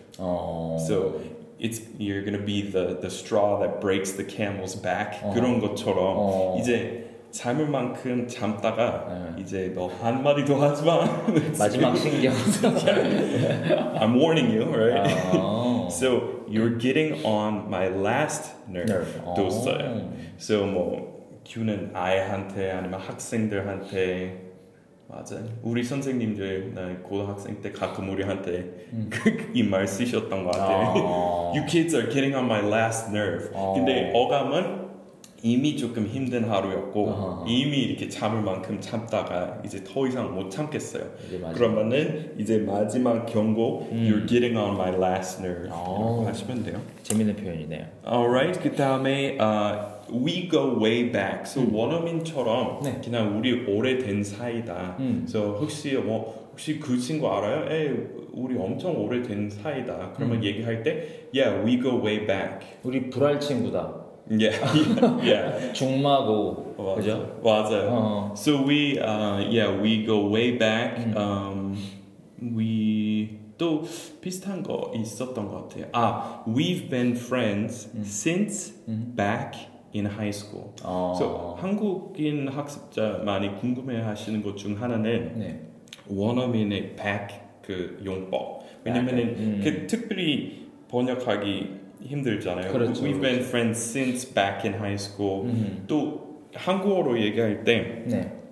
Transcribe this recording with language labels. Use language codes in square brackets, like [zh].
[en] So it's you're gonna be the straw that breaks the camel's back. [ko] 그런 것처럼 이제 잠을 만큼 잠다가 이제 너 한 마디 더 하지 마. 마지막 신경. [en] I'm warning you, right? So you're getting on my last nerve. [ko] 또 써요. So 뭐 Q는 아이한테 아니면 학생들한테 맞아. 우리 선생님들 나 고등학생 때 가끔 우리한테 이 말 쓰셨던 것 같아. [en] You kids are getting on my last nerve. [ko] 근데 어감은 이미 조금 힘든 하루였고 이미 이렇게 참을 만큼 참다가 이제 더 이상 못 참겠어요. 그러면은 이제 마지막 경고 [en] You're getting on my last nerve [ko] 이렇게 하시면 돼요. 재밌는 표현이네요. [en] Alright, 그 다음에 We go way back. [ko] So 원어민처럼 네. 그냥 우리 오래된 사이다. So 혹시 뭐 혹시 그 친구 알아요? 에이, 우리 엄청 오래된 사이다. 그러면 얘기할 때 [en] Yeah, we go way back. [ko] 우리 불알 친구다. [en] Yeah, yeah. [ko] 중마고, 그죠? 맞아요. [en] So we, yeah, we go way back. [ko] We 또 비슷한 거 있었던 것 같아요. [en] 아, we've been friends since back in high school. [ko] So 한국인 학습자 많이 궁금해하시는 것 중 하나는 원어민의 back 그 용법. 왜냐면은 그 특별히 번역하기 힘들잖아요. 그렇죠, [en] We've [ko] 그렇죠. [en] been friends since back in high school. [ko] 또 한국어로 얘기할 때 네.